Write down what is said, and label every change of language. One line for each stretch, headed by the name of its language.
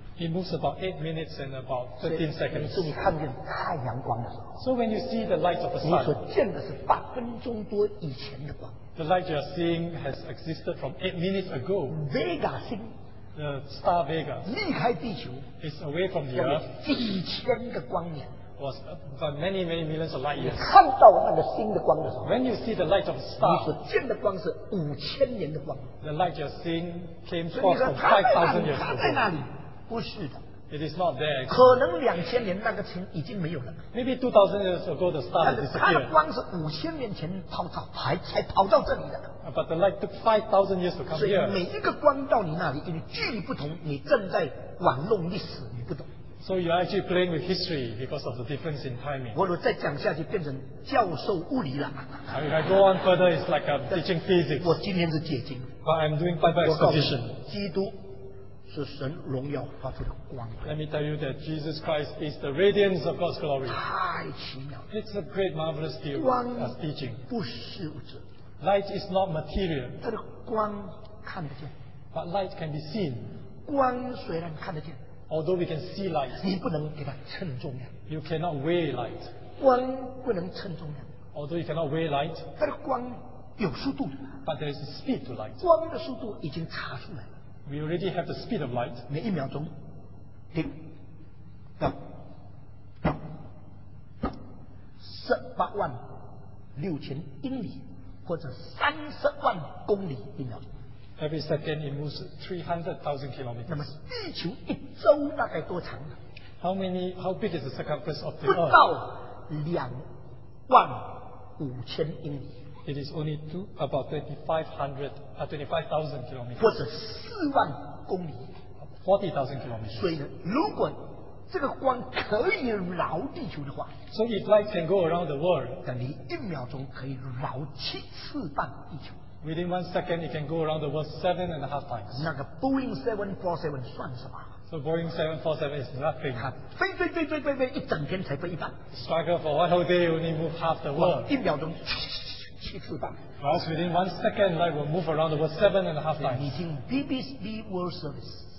English: He moves about 8 minutes and about 13 seconds。
Chinese: 所以你看见太阳光的时候
English: ，So when you see the light of the sun，
Chinese: 你所见的是八分钟多以前的光。
English: The light you are seeing has existed from 8 minutes ago。
Chinese: Vega 星。
English: The star Vega
Chinese: 离开地球
English: is away from the earth
Chinese: 几千个光年
English: was by many many millions of light years。
Chinese: 看到那个新的光的时候
English: when you see the light of a star
Chinese: 你所见的光是五千年的光。
English: The light you're seeing came across from 5,000 years ago。
Chinese: 它在那里不是的。
English: It is not there。
Chinese: 可能两千年那个星已经没有了。
English: Maybe 2,000 years ago the star disappeared。
Chinese: 它的光是五千年前才跑到这里的。
English: But the light took 5,000 years to come here.
Chinese: 所以每一个光到你那里，因为距离不同，你正在玩弄历史，你不懂。
English: So you are actually playing with history because of the difference in timing.
Chinese: 我如果再讲下去，变成教授物理了。
English: If I go on further, it's like a teaching physics.
Chinese: 我今天是解经。
English: But I'm doing Bible exposition.
Chinese: 基督是神荣耀发出的光。
English: Let me tell you that Jesus Christ is the radiance of God's glory.
Chinese: 太奇妙。
English: It's a great marvelous deal.
Chinese: 光
English: as teaching.
Chinese: 不是物质。
English: Light is not material.
Chinese: 它的光看得见。
English: But light can be seen.
Chinese: 光虽然看得见。
English: Although we can see light.
Chinese: 你不能给它称重量。
English: You cannot weigh light.
Chinese: 光不能称重量。
English: Although you cannot weigh light.
Chinese: 它的光有速度。
English: But there is a speed to light.
Chinese: 光的速度已经查出来。
English: We already have the speed of light.
Chinese: 每一秒钟，停，等，186,000英里。或者300,000公里一秒钟。
English: Every second it moves 300,000 kilometers.
Chinese: 那么地球一周大概多长呢
English: ？How big is the circumference of the Earth？
Chinese: 不到25,000英里。
English: It is only about 25,000 kilometers.
Chinese: 或者40,000公里。
English: 40,000 kilometers.
Chinese: 所以呢，如果这个光可以绕地球的话
English: ，So if light can go around the world，
Chinese: 等于一秒钟可以绕7次地球。
English: Within 1 second, it can go around the world 7.5 times.
Chinese: 那个 Boeing 747算什么
English: ？So Boeing 747 is nothing.
Chinese: 它飞一整天才飞一半。
English: Struggle for one whole day, only move half the world.
Chinese: 一秒钟7次。
English: Well, within 1 second, light will move around the world 7.5 times. 已经 BBC World Service。